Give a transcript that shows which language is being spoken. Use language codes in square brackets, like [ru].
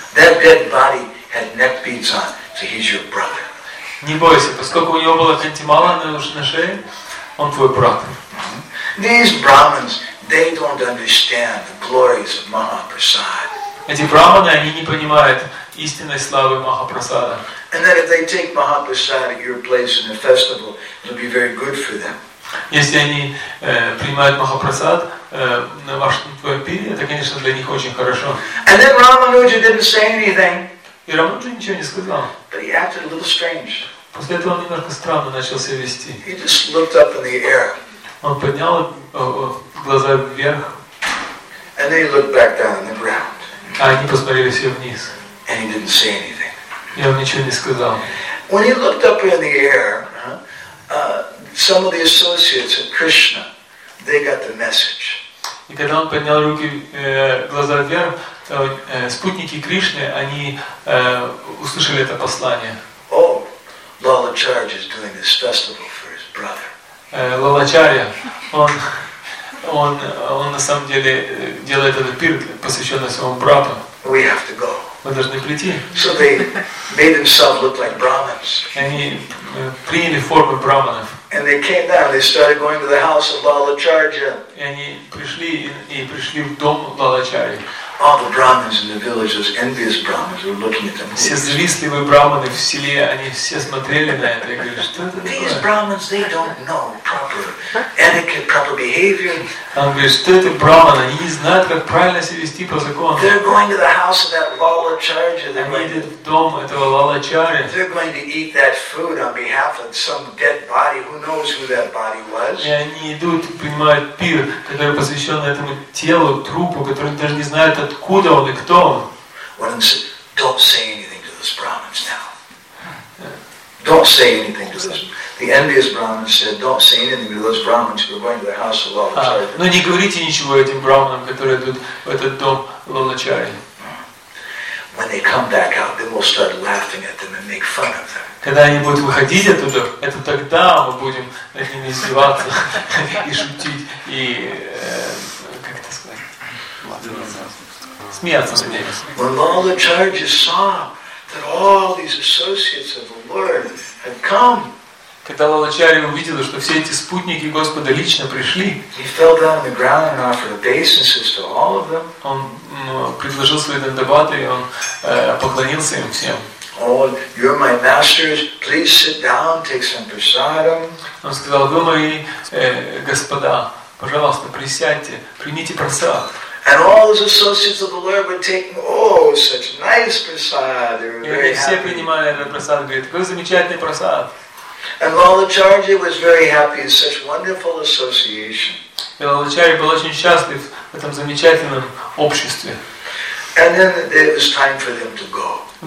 [en] That dead body had neck beads on, so he's your brother. [ru] Не бойся, поскольку у него было kunti mala на шее, он твой брат. [en] These Brahmins, they don't understand the glories of Mahaprasad. [ru] Эти брахманы, они не понимают истинной славы Махапрасада. [en] And then if they take Mahaprasad at your place in the festival, it'll be very good for them. [ru] Если они принимают Махапрасад на вашем твоем пире, это, конечно, для них очень хорошо. [en] And then Рамануджа didn't say anything. [ru] И Рамануджа ничего не сказал. [en] But he acted a little strange. [ru] После этого он немножко странно начал себя вести. [en] He just looked up in the air. [ru] Он поднял глаза вверх. [en] And they looked back down on the ground. [ru] А они посмотрели все вниз. [en] And he didn't say anything. [ru] И он ничего не сказал. [en] When he looked up in the air, some of the associates of Krishna, they got the message. [ru] И когда он поднял руки, глаза вверх, то, спутники Кришны, они услышали это послание. [en] Oh, Lala Lalacharya is doing this festival for his brother. [ru] Lalacharya, он на самом деле делает этот пир, посвященный своему брату. [en] We have to go. [ru] Мы должны прийти. [en] So they made themselves look like Brahmins. [ru] Они приняли форму брахманов. [en] And they came down. They started going to the house of Lalacharya. [ru] Они пришли и пришли в дом Лалачарьи. [en] All the Brahmins in the village, those envious Brahmins, were looking at them. [ru] Все завистливые брахманы в селе, они все смотрели на это и говорили, что это такое? [en] These Brahmins, they don't know proper etiquette, proper behavior. [ru] Он говорит, что это брахманы, они не знают, как правильно себя вести по закону. [en] They're going to the house of that Lalacharya. [ru] Они идут в дом этого Лалачарьи. [en] They're going to eat that food on behalf of some dead body. Who knows who that body was? [ru] И они идут, принимают пир, который посвящен этому телу, трупу, который даже не знает. Откуда он и кто он? [en] Don't say anything to those Brahmins now. Don't say anything to those. The envious Brahmins said, "Don't say anything to those Brahmins who are going to the house of Lalacharya." [ru] Но не говорите ничего этим Брахманам, которые идут в этот дом Лалачарьи. [en] When they come back out, then we'll start laughing at them and make fun of them. [ru] Когда они будут выходить оттуда, это тогда мы будем над ними издеваться и шутить и как это сказать? [en] When Lalacharya saw that all these associates of the Lord had come, [ru] когда Лалачарья увидела, что все эти спутники Господа лично пришли, [en] he fell down on the ground and offered obeisances to all of them. [ru] Он предложил свои дандабаты и он поклонился им всем. [en] Oh, you're my masters. Please sit down, take some prasadam. [ru] Он сказал: вы мои господа, пожалуйста, присядьте, примите прасад. [en] And all his associates of the Lord were taking, such nice prasad. They were very happy. [ru] И все принимали этот прасад, говорит, какой замечательный прасад. [en] And Lalacharya was very happy in such wonderful association. [ru] И Лалачарья был очень счастлив в этом замечательном обществе. [en] And then it was time for them to go.